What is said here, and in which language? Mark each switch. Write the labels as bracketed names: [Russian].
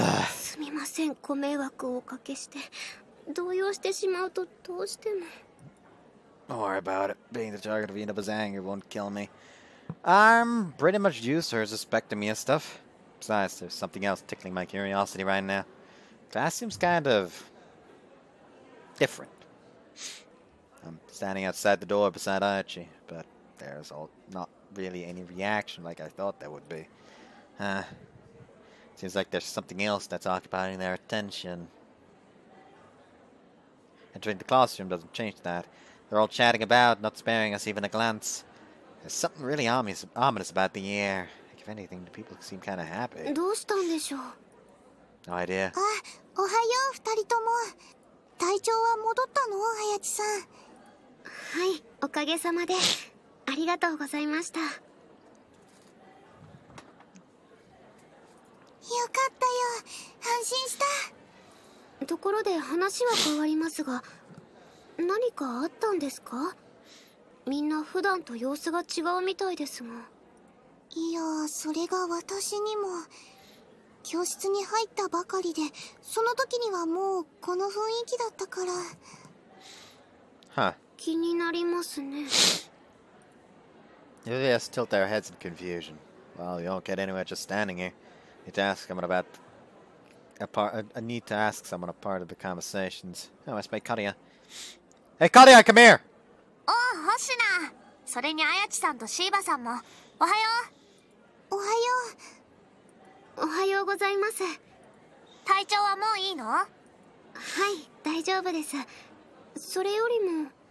[Japanese] すみません、ご迷惑をおかけして、動揺してしまうとどうしても。 [English] Don't worry about it. Being the target of Inaba's anger won't kill me. I'm pretty much used to her suspecting me of stuff. Besides, there's something else tickling my curiosity right now. Class seems kind of different. I'm standing outside the door beside Ayachi, but there's not really any reaction like I thought there would be. Seems like there's something else that's occupying their attention. Entering the classroom doesn't change that. They're all chatting about, not sparing us even a glance. There's something really ominous about the air. Like, if anything, the people seem kind of happy. [Japanese] どうしたんでしょう? [English] No idea. [Japanese] おはよう、二人とも。体調は戻ったの、はやちさん。はい、おかげさまで。ありがとうございました。よかったよ。安心した。ところで話は変わりますが、何かあったんですか？みんな普段と様子が違うみたいですが。いや、それが私にも。教室に入ったばかりで、その時にはもうこの雰囲気だったから。気になりますね。 [English] They just tilt their heads in confusion. Well, you don't get anywhere just standing here. Need to ask someone about a part of the conversations. Oh, I speak Kariya. Hey, Kariya, come here! Oh, Hoshina! [Japanese] それにあやちさんとシーバさんも、おはよう。おはよう。おはようございます。体調はもういいの？はい、大丈夫です。それよりも。